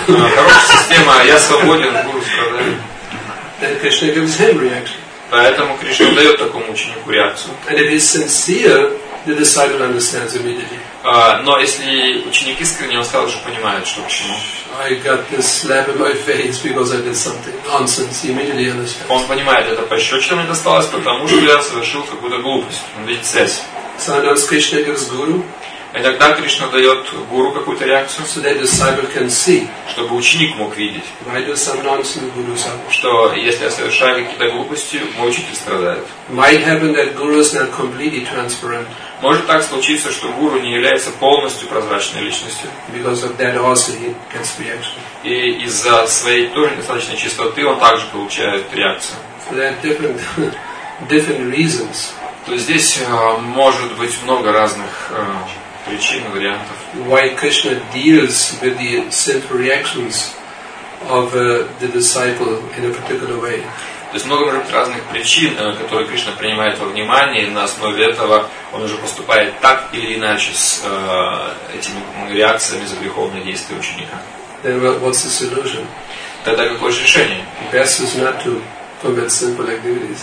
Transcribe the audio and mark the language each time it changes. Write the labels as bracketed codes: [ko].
[ru] Хорошая система, я свободен, гуру страдает. [en] Then Krishna gives him reaction. [ru] Поэтому Кришна дает такому ученику реакцию. [en] And if he's sincere, the disciple understands immediately. [ru] Но если ученик искренне, он сразу же понимает, что к чему. [en] I got this slap in my face because I did something nonsense. Immediately understands. [ru] Он понимает, это пощечина досталась, потому что я совершил какую-то глупость. Он видит связь. [en] Sometimes Krishna gives guru. [ru] Иногда Кришна дает гуру какую-то реакцию, [en] so that disciple can see, [ru] чтобы ученик мог видеть, [en] I do some nonsense, guru some. [ru] Что если я совершаю какие-то глупости, мой учитель страдает. [en] Might happen that guru is not completely transparent. [ru] Может так случиться, что гуру не является полностью прозрачной личностью. [en] Because of that also he gets reaction. [ru] И из-за своей тоже недостаточной чистоты он также получает реакцию. [en] So there are different reasons. [ru] То есть здесь может быть много разных причин, вариантов. [en] Why Krishna deals with the sinful reactions of the disciple in a particular way. [ru] То есть много может быть разных причин, которые Кришна принимает во внимание, и на основе этого он уже поступает так или иначе с этими реакциями за греховные действия ученика. [en] Then what's the solution? [ru] Тогда какое же решение? [en] Best is not to commit sinful activities.